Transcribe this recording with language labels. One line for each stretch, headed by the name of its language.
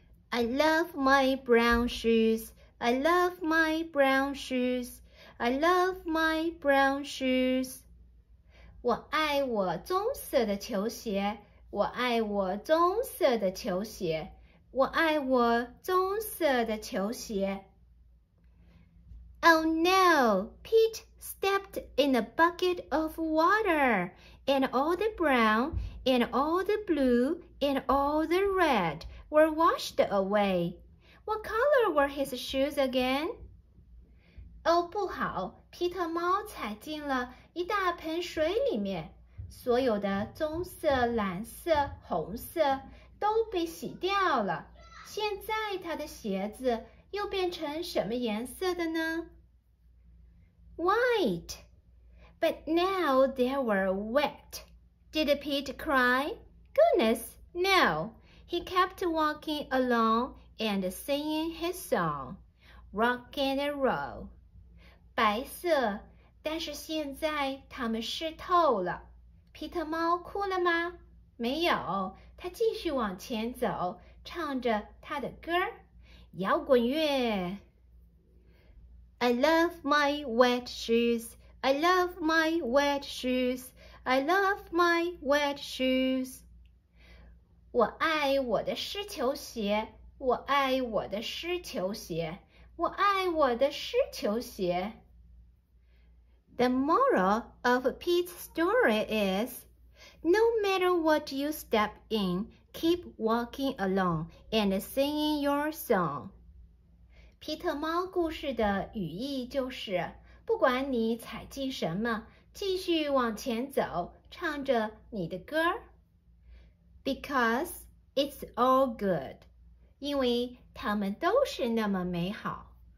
English: I love my brown shoes, I love my brown shoes, I love my brown shoes.
Chinese: 我爱我棕色的球鞋，我爱我棕色的球鞋，我爱我棕色的球鞋。
English: Oh no, Pete stepped in a bucket of water, and all the brown, and all the blue, and all the red were washed away. What color were his shoes again? Oh,
Chinese: 不好, Peter 猫踩进了一大盆水里面。所有的棕色、蓝色、红色都被洗掉了。现在他的鞋子又变成什么颜色的呢?
English: White. But now they were wet. Did Pete cry? Goodness, no. He kept walking along and singing his song, rock and roll.
Chinese: 白色, 但是现在它们湿透了。皮特猫哭了吗？没有，它继续往前走，唱着它的歌儿，摇滚乐。
English: I love my wet shoes. I love my wet shoes. I love my wet shoes.
Chinese: 我爱我的湿球鞋，我爱我的湿球鞋，我爱我的湿球鞋。
English: The moral of Pete's story is, no matter what you step in, keep walking along and singing your song.
Chinese: 皮特猫故事的语义就是，不管你踩进什么，继续往前走，唱着你的歌。
English: Because it's all good.
Chinese: 因为它们都是那么美好。